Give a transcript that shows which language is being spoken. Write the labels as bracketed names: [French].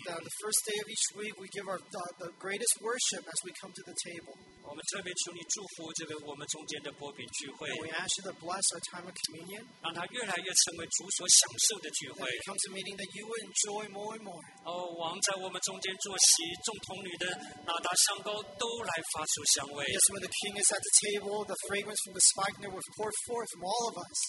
[English] The first day of each week, we give our the greatest worship as we come to the table. And we ask you to bless our time of communion. And it becomes a meeting that you will enjoy more and more. [Chinese] Oh, 王在我们中间坐席，众童女的拿达香膏都来发出香味。 [English] Yes, when the king is at the table, the fragrance from the spikenard will pour forth from all of us.